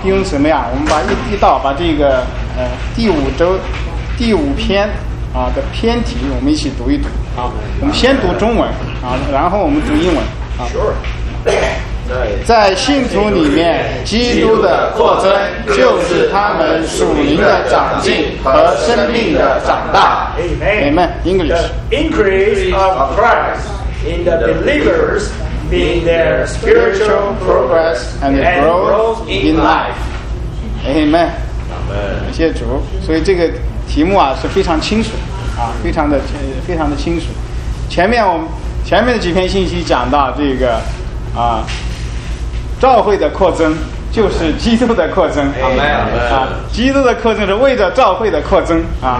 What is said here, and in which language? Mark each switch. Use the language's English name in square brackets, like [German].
[Chinese] 弟兄姊妹啊，我们把一道把这个第五周第五篇啊的篇题，我们一起读一读啊。我们先读中文啊，然后我们读英文啊。在信徒里面，基督的扩增就是他们属灵的长进和生命的长大。 [English] Amen. English. The increase of Christ in the believers in their spiritual progress and growth in life. [Chinese] Amen. 感谢主。所以这个题目啊是非常清楚啊，非常的清楚。前面的几篇信息讲到这个啊。教会的扩增就是基督的扩增，阿门啊！基督的扩增是为着教会的扩增啊，